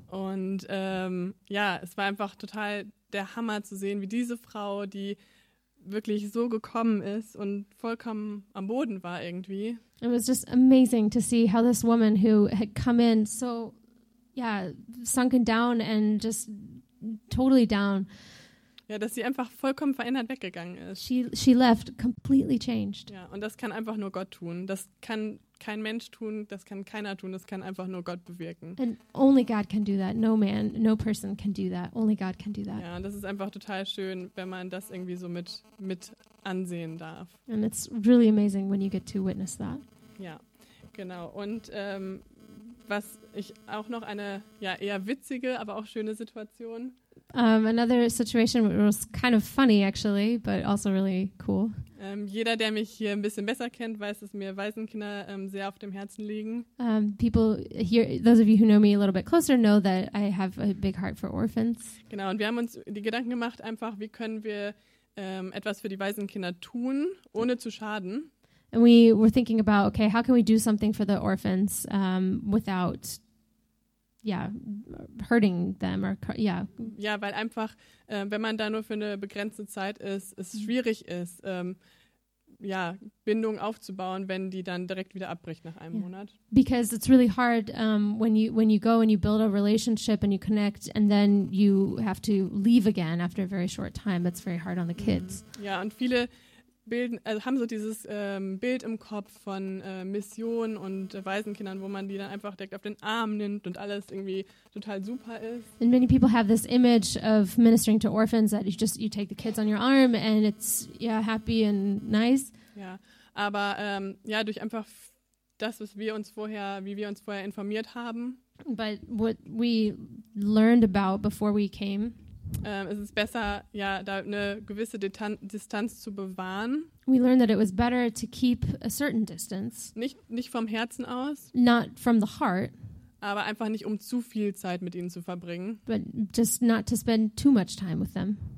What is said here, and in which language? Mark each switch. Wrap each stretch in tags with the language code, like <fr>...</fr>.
<de>Und ja, es war einfach total der Hammer zu sehen, wie diese Frau, die wirklich so gekommen ist und vollkommen am Boden war irgendwie.</de> <en>It was just amazing to see how this woman who had come in so, yeah, sunken down and just totally down.</en> <de>Ja, dass sie einfach vollkommen verändert weggegangen ist.</de> <en>She left completely changed.</en> <de>Ja, und das kann einfach nur Gott tun. Das kann kein Mensch tun, das kann keiner tun, das kann einfach nur Gott bewirken.</de> <en>And only God can do that. No man, no person can do that. Only God can do that.</en> <de>Ja, und das ist einfach total schön, wenn man das irgendwie so mit ansehen darf.</de> <en>And it's really amazing when you get to witness that.</en> <de>Ja, genau. Und was ich auch noch eine ja eher witzige, aber auch schöne Situation.</de> <en>Another situation was kind of funny actually, but also really cool.</en> <de>Jeder, der mich hier ein bisschen besser kennt, weiß, dass mir Waisenkinder sehr auf dem Herzen liegen.</de> <en>People here, those of you who know me a little bit closer, know that I have a big heart for orphans.</en> <de>Genau, und wir haben uns die Gedanken gemacht, einfach, wie können wir etwas für die Waisenkinder tun, ohne zu schaden.</de> <en>And we were thinking about, okay, how can we do something for the orphans without hurting them or</en> <de>Ja, weil einfach wenn man da nur für eine begrenzte Zeit ist, es schwierig ist Bindung aufzubauen, wenn die dann direkt wieder abbricht nach einem Monat.</de> <en>Because it's really hard when you go and you build a relationship and you connect and then you have to leave again after a very short time. It's very hard on the kids.</en> <de>Ja, und viele haben so dieses Bild im Kopf von Mission und Waisenkindern, wo man die dann einfach direkt auf den Arm nimmt und alles irgendwie total super ist.</de> <en>And many people have this image of ministering to orphans that you take the kids on your arm and it's happy and nice.</en> <de>Ja, aber durch einfach das, wie wir uns vorher informiert haben.</de> <en>But what we learned about before we came.</en> <de>Es ist besser, da eine gewisse Distanz zu bewahren.</de> <en>We learned that it was better to keep a certain distance.</en> <de>Nicht vom Herzen aus.</de> <en>Not from the heart.</en> <de>Aber einfach nicht, um zu viel Zeit mit ihnen zu verbringen.</de> <en>But just not to spend too much time with them.</en>